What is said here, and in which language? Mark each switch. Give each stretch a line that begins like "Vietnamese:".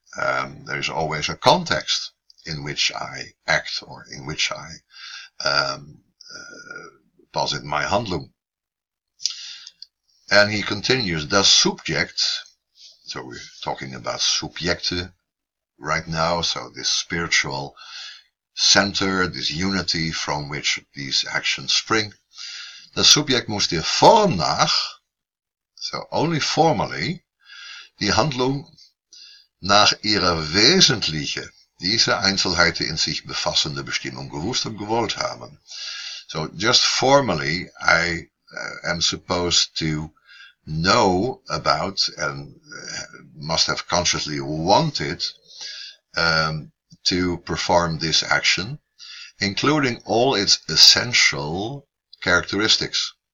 English: There is always a context in which I act, or in which I posit my handlung. And he continues, das Subjekt, so we're talking about Subjekte right now, so this spiritual center, this unity from which these actions spring.
German: Das Subjekt muss der Form nach,
English: so only formally,
German: die Handlung nach ihrer wesentlichen, diese Einzelheiten in sich befassende Bestimmung gewusst und gewollt haben.
English: So just formally, I am supposed to know about and must have consciously wanted to perform this action, including all its essential characteristics.